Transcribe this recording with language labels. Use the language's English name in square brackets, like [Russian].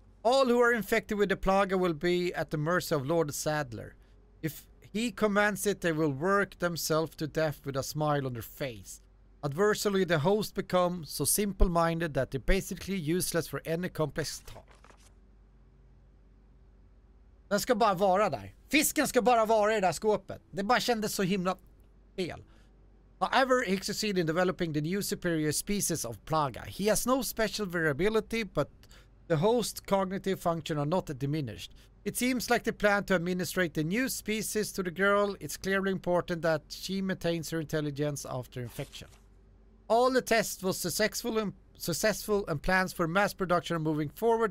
[English] All who are infected with the plaga will be at the mercy of Lord Sadler. If he commands it, they will work themselves to death with a smile on their face. Adversely, the host become so simple-minded that they're basically useless for any complex talk. [Swedish] Den ska bara vara där. Fisken ska bara vara i det där skåpet. Det bara kändes så himla fel. [English] However, he succeeded in developing the new superior species of plaga. He has no special variability, but the host's cognitive function are not diminished. It seems like they plan to administrate the new species to the girl. It's clearly important that she maintains her intelligence after infection. All the tests were successful and plans for mass production are moving forward.